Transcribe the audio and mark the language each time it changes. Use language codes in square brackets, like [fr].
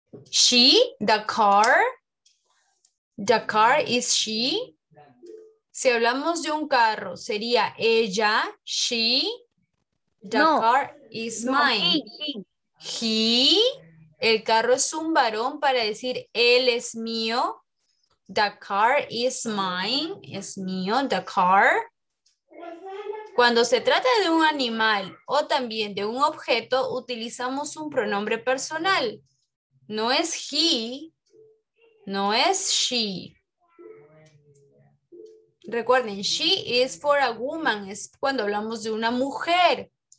[en] She, the car is she. [es] Si hablamos de un carro, sería ella, she, [en] the car is mine. [es] He, el carro es un varón para decir él es mío. [en] The car is mine, [es] es mío, [en] the car. [es] Cuando se trata de un animal o también de un objeto, utilizamos un pronombre personal. No es he, no es she. Recuerden, [en] she is for a woman, [es] es cuando hablamos de una mujer.